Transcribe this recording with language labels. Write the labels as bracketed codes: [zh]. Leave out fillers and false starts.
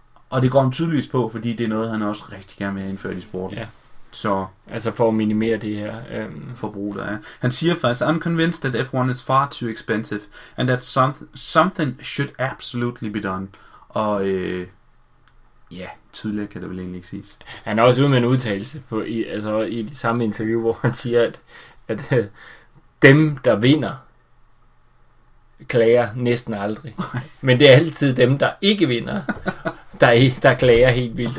[da] Og det går han tydeligvis på, fordi det er noget, han også rigtig gerne vil have indført i sporten. Ja. Så, altså for at minimere det her forbrug, der er. Han siger faktisk, [en] I'm convinced that F1 is far too expensive, and that something should absolutely be done. [da] Og ja, tydeligere kan det vel egentlig ikke siges. Han er også ude med en udtalelse i det samme interview, hvor han siger, at dem, der vinder, klager næsten aldrig. Men det er altid dem, der ikke vinder, der klager helt vildt.